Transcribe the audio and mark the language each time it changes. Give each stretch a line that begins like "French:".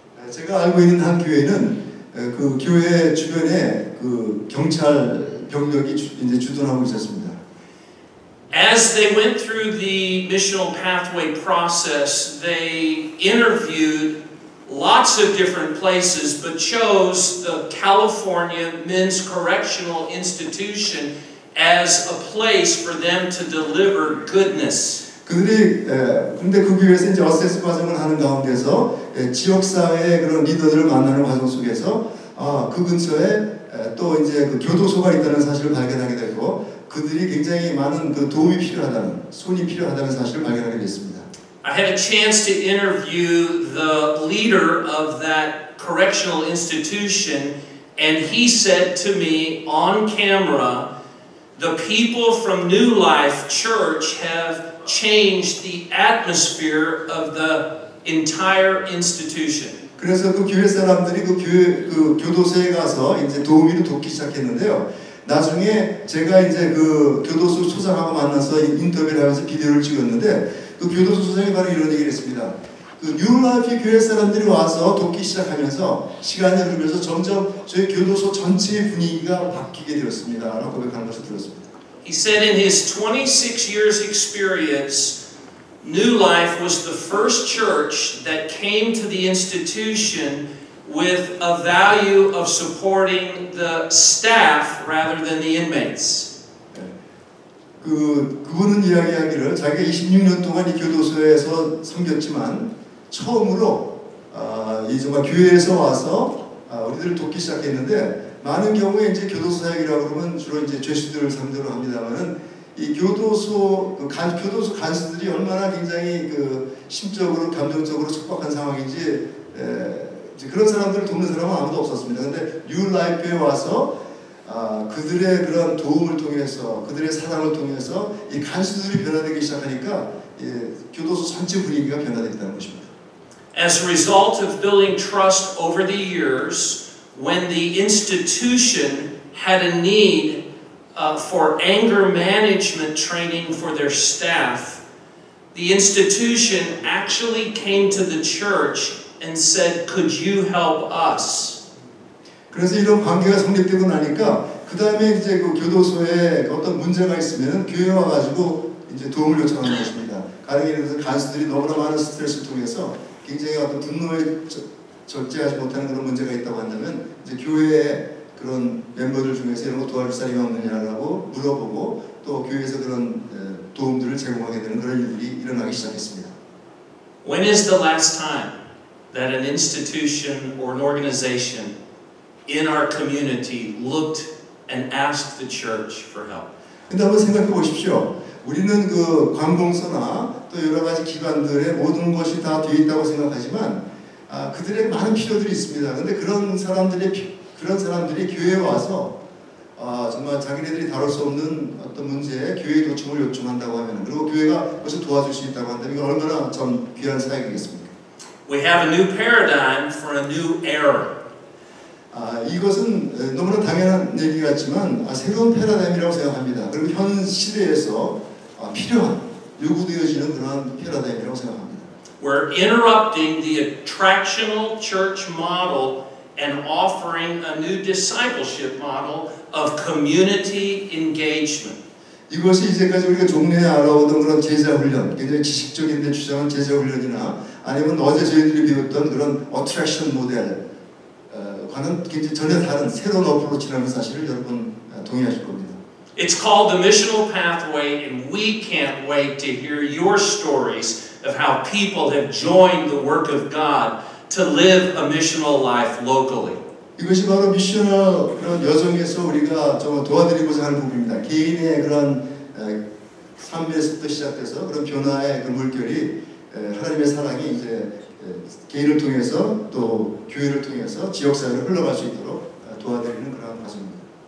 Korean: 제가 알고 있는 한 교회는 그 교회 주변에 그 경찰 병력이 이제 주둔하고 있었습니다.
English: As they went through the missional pathway process, they interviewed lots of different places, but chose the California Men's Correctional Institution. As a place for them to deliver goodness.
Korean: 그들이 근데 그 교회에서 이제 어세스 과정을 하는 가운데서 지역사회의 그런 리더들을 만나는 과정 속에서 그 근처에 또 이제 그 교도소가 있다는 사실을 발견하게 되고 그들이 굉장히 많은 그 도움이 필요하다는 손이 필요하다는 사실을 발견하게 됐습니다.
English: I had a chance to interview the leader of that correctional institution, and he said to me on camera. The people from New Life Church have changed the atmosphere of the entire institution.
Korean: 그래서 그 교회 사람들이 그 교회 그 교도소에 가서 이제 도우미를 돕기 시작했는데요. 나중에 제가 이제 그 교도소 소장하고 만나서 인터뷰를 하면서 비디오를 찍었는데 그 교도소 소장이 바로 이런 얘기를 했습니다. 그 뉴라이프 교회 사람들이 와서 돕기 시작하면서 시간이 흐르면서 점점 저희 교도소 전체의 분위기가 바뀌게 되었습니다. 라고 고백하는 것을 들었습니다.
English: He said in his 26 years experience, New Life was the first church that came to the institution with a value of supporting the staff rather than the inmates.
Korean: 그분은 이야기하기를 자기가 26년 동안 이 교도소에서 섬겼지만 처음으로 정말 교회에서 와서 우리들을 돕기 시작했는데 많은 경우에 이제 교도소 사역이라고 그러면 주로 이제 죄수들을 상대로 합니다만은 이 교도소 그 교도소 간수들이 얼마나 굉장히 그 심적으로 감정적으로 척박한 상황인지 이제 그런 사람들을 돕는 사람은 아무도 없었습니다. 근데 뉴라이프에 와서 그들의 그런 도움을 통해서 그들의 사랑을 통해서 이 간수들이 변화되기 시작하니까 예, 교도소 전체 분위기가 변화됐다는 것입니다.
English: As a result of building trust over the years, when the institution had a need for anger management training for their staff, the institution actually came to the church and said, "Could you help us?"
Korean: 그래서 이런 관계가 성립되고 나니까 그 다음에 이제 그 교도소에 어떤 문제가 있으면 교회 와가지고 이제 도움을 요청하는 것입니다. 가르기에서 간수들이 너무나 많은 스트레스를 통해서 굉장히 어떤 분노에 절제하지 못하는 그런 문제가 있다고 한다면 이제 교회에 그런 멤버들 중에서 이런 거 도와줄 사람이 없느냐라고 물어보고 또 교회에서 그런 도움들을 제공하게 되는 그런 일들이 일어나기 시작했습니다.
English: When is the last time that an institution or an organization in our community looked and asked the church for help?
Korean: 근데 한번 생각해 보십시오. 우리는 그 관공서나 또 여러 가지 기관들의 모든 것이 다 되어 있다고 생각하지만 그들의 많은 필요들이 있습니다. 근데 그런 사람들이 교회에 와서 정말 자기네들이 다룰 수 없는 어떤 문제에 교회 도청을 요청한다고 하면 그리고 교회가 그것을 도와줄 수 있다고 한다면 이건 얼마나 참 귀한 사역이겠습니까?
English: We have a new paradigm for a new era.
Korean: 이것은 너무나 당연한 얘기 같지만 새로운 패러다임이라고 생각합니다. 그리고 현 시대에서 필요한 요구되어지는 그런 패러다임이라고 생각합니다.
English: We're interrupting the attractional church model and offering a new discipleship model of community engagement.
Korean: 이것이 이제까지 우리가 종래에 알아오던 그런 제자 훈련, 굉장히 지식적인데 주장한 제자 훈련이나 아니면 어제 저희들이 배웠던 그런 attraction 모델과는 굉장히 전혀 다른 새로운 어프로치라는 사실을 여러분 동의하실 겁니다.
English: It's called the missional pathway, and we can't wait to hear your stories. Of how people have joined the work of God to live a missional life locally.
Korean: 이것이 바로 미션을 그런 여정에서 우리가 좀 도와드리고자 하는 부분입니다. 개인의 그런 삶에서부터 시작돼서 그런 변화의 그 물결이 하나님의 사랑이 이제 개인을 통해서 또 교회를 통해서 지역 사회로 흘러갈 수 있도록 도와드리는 그런 과정입니다.